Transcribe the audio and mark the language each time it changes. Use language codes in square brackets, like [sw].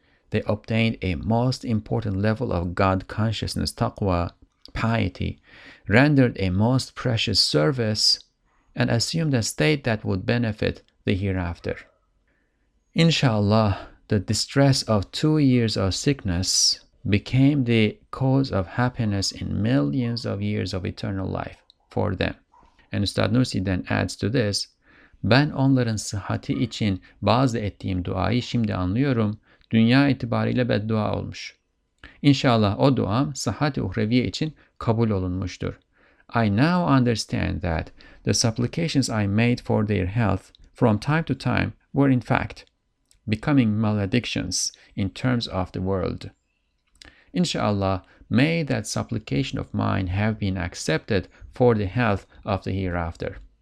[en] They obtained a most important level of God consciousness, taqwa, piety, rendered a most precious service, and assumed a state that would benefit the hereafter. Inshallah, the distress of 2 years of sickness became the cause of happiness in millions of years of eternal life for them. And Ustad Nursi then adds to this, [tr] ben onların sıhhati için bazı ettiğim duayı şimdi anlıyorum, dünya itibariyle beddua olmuş. İnşallah o duam sıhhati uhreviye için kabul olunmuştur. [en] I now understand that the supplications I made for their health from time to time were in fact becoming maledictions in terms of the world. Inshallah, may that supplication of mine have been accepted for the health of the hereafter.